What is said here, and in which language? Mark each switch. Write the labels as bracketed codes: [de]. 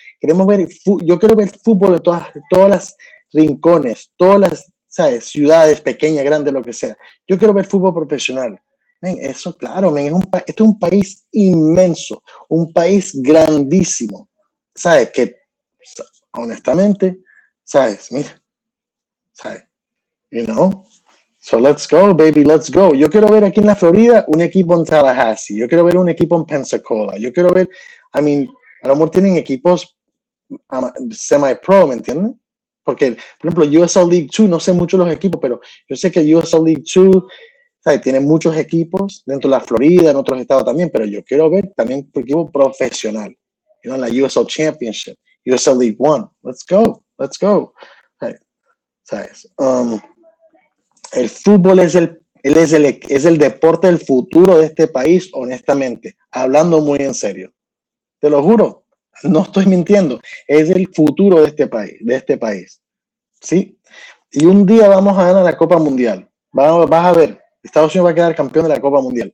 [es] Queremos ver, yo quiero ver fútbol de todas las rincones, todas las, ¿sabes? Ciudades pequeñas, grandes, lo que sea. Yo quiero ver fútbol profesional. Men, eso, claro, men, este es un país inmenso, un país grandísimo. ¿Sabes? Que, honestamente, ¿sabes? Mira. [en] You know, so let's go, baby, let's go. [es] Yo quiero ver aquí en la Florida un equipo en Tallahassee. Yo quiero ver un equipo en Pensacola. Yo quiero ver, [en] I mean, [es] a lo mejor tienen equipos semi-pro, ¿me entienden? Porque, por ejemplo, USL League 2, no sé mucho los equipos, pero yo sé que USL League 2, ¿sabes? Tiene muchos equipos dentro de la Florida, en otros estados también, pero yo quiero ver también un equipo profesional. [en] You know, la USL Championship, USL League 1, let's go, let's go. [es] ¿Sabes? El fútbol es el deporte del futuro de este país, honestamente, hablando muy en serio. Te lo juro, no estoy mintiendo, es el futuro de este país, ¿sí? Y un día vamos a ganar la Copa Mundial. Vas a ver, Estados Unidos va a quedar campeón de la Copa Mundial.